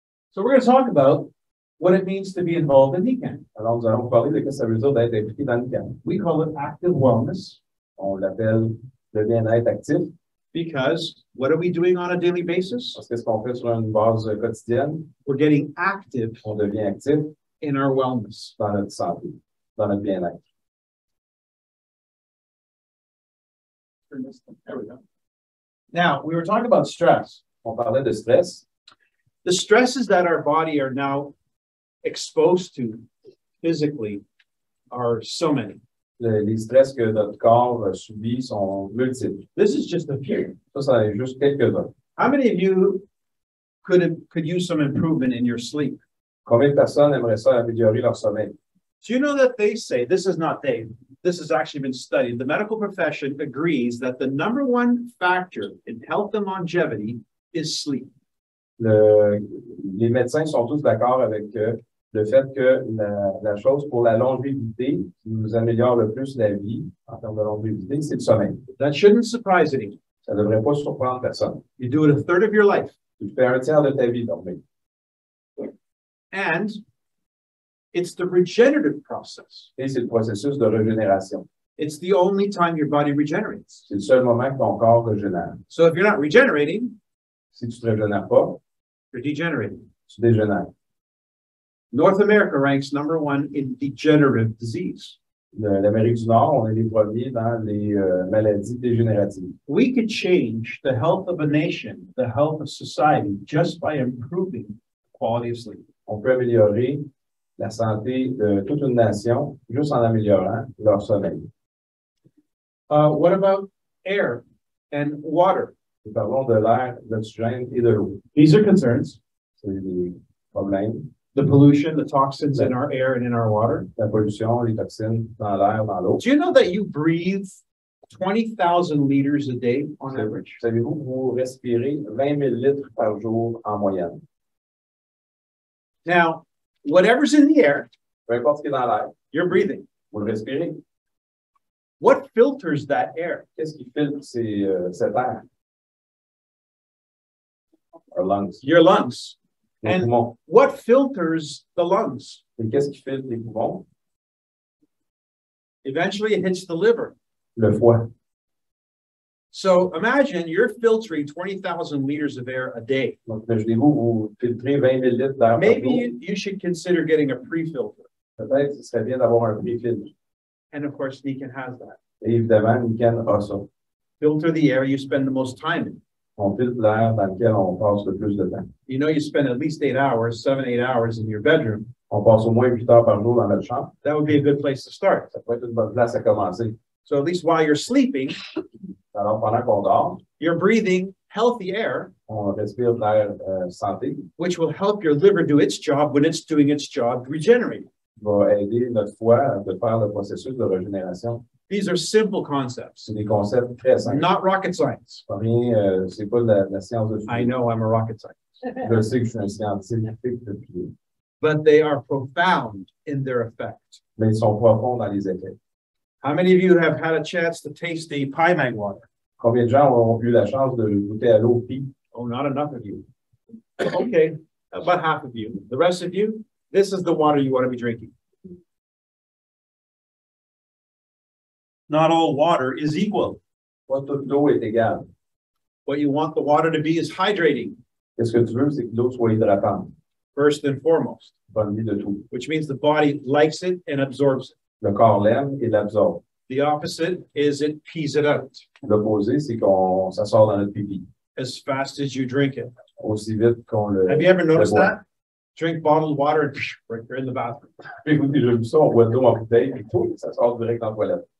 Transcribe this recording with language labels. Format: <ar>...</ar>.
<en>So we're going to talk about what it means to be involved in Nikan.</en> <fr>Alors, nous allons parler de ce que ça veut dire d'être impliqué dans Nikan.</fr> <en>We call it active wellness.</en> <fr>On l'appelle le bien-être actif.</fr> <en>Because what are we doing on a daily basis? We're getting active,</en> <fr>on devient actif</fr> <en>in our wellness,</en> <fr>dans notre santé, dans notre bien-être.</fr> <en>There we go. Now, we were talking about stress.</en> <fr>On parlait de stress.</fr> <en>The stresses that our body are now exposed to physically are so many.</en> <fr>Les stress que notre corps subit sont multiples.</fr> <en>This is just a few.</en> <fr>Ça, ça est juste quelques-uns.</fr> <en>How many of you could use some improvement in your sleep?</en> <fr>Combien de personnes aimeraient ça améliorer leur sommeil?</fr> <en>Do you know that they say, this is not they, this has actually been studied, the medical profession agrees that the number one factor in health and longevity is sleep.</en> <fr>Les médecins sont tous d'accord avec le fait que la chose pour la longévité qui nous améliore le plus la vie en termes de longévité, c'est le sommeil.</fr> <en>That shouldn't surprise anyone.</en> <fr>Ça devrait pas surprendre personne.</fr> <en>You do it a third of your life.</en> <fr>Tu fais un tiers de ta vie dormir.</fr> <en>And it's the regenerative process.</en> <fr>Et c'est le processus de régénération.</fr> <en>It's the only time your body regenerates.</en> <fr>C'est le seul moment que ton corps régénère.</fr> <en>So if you're not regenerating,</en> <fr>si tu te régénères pas,</fr> <en>you're degenerating.</en> <fr>Tu dégénères.</fr> <en>North America ranks number one in degenerative disease.</en> <fr>L'Amérique du Nord, on est les premiers dans les maladies dégénératives.</fr> <en>We could change the health of a nation, the health of society, just by improving the quality of sleep.</en> <fr>On peut améliorer la santé de toute une nation juste en améliorant leur sommeil.</fr> <en>What about air and water?</en> <fr>Nous parlons de l'air, de l'oxygène et de l'eau.</fr> <en>These are concerns.</en> <fr>C'est des problèmes.</fr> <en>The pollution, the toxins in our air and in our water.</en> <fr>La pollution, les toxines dans l'air, dans l'eau.</fr> <en>Do you know that you breathe 20,000 liters a day on average?</en> <fr>Savez-vous que vous respirez 20 000 litres par jour en moyenne?</fr> <en>Now, whatever's in the air,</en> <fr>peu importe ce qui est dans l'air,</fr> <en>you're breathing.</en> <fr>Vous le respirez.</fr> <en>What filters that air?</en> <fr>Qu'est-ce qui filtre cet air?</fr> <en>Our lungs. Your lungs. And what filters the lungs?</en> <fr>Et qu'est-ce qui filtre les poumons?</fr> <en>Eventually it hits the liver.</en> <fr>Le foie.</fr> <en>So imagine you're filtering 20,000 liters of air a day.</en> <fr>Donc, imaginez-vous, vous filtrez 20 000 litres d'air.</fr> <en>Maybe you should consider getting a pre-filter.</en> <fr>Peut-être ce serait bien d'avoir un pre-filter.</fr> <en>And of course, Nikan has that.</en> <fr>Et évidemment, Nikan a ça.</fr> <en>Filter the air you spend the most time in.</en> <fr>On filtre l'air dans lequel on passe le plus de temps.</fr> <en>You know, you spend at least 8 hours, 7-8 hours in your bedroom.</en> <fr>On passe au moins 8 heures par jour dans notre chambre.</fr> <en>That would be a good place to start.</en> <fr>Ça pourrait être une bonne place à commencer.</fr> <en>So at least while you're sleeping,</en> <fr>alors pendant qu'on dort,</fr> <en>you're breathing healthy air,</en> <fr>on respire de l'air santé,</fr> <en>which will help your liver do its job when it's doing its job, regenerate.</en> <fr>Va aider notre foie de faire le processus de régénération.</fr> <en>These are simple concepts.</en> <fr>C'est des concepts très simples.</fr> <en>Not rocket science.</en> <fr>C'est pas la science de</fr> <en>physique. I know I'm a rocket scientist.</en> <fr>Je sais que je suis un scientifique depuis.</fr> <en>But they are profound in their effect.</en> <fr>mais ils sont profonds dans les étés.</fr> <en>How many of you have had a chance to taste the pie mag water?</en> <fr>Combien de gens ont eu la chance de goûter à l'eau pie?</fr> <en>Oh, not enough of you. Okay, about half of you. The rest of you, this is the water you want to be drinking. Not all water is equal.</en> <fr>Pas toute l'eau est égale.</fr> <en>What you want the water to be is hydrating.</en> <fr>Qu'est-ce que tu veux, c'est que l'eau soit hydratante.</fr> <en>First and foremost.</en> <fr>Premier de tout.</fr> <en>Which means the body likes it and absorbs it.</en> <fr>Le corps l'aime et l'absorbe.</fr> <en>The opposite is it pees it out.</en> <fr>L'opposé, c'est qu'on ça sort dans notre pipi.</fr> <en>As fast as you drink it.</en> <fr>Aussi vite qu'on le</fr> <en>Have you ever noticed that? Drink bottled water and right there in the bathroom.</en> <fr>Écoutez, je me sens, on boit de l'eau en bouteille et tout, ça sort direct dans la toilette.</fr>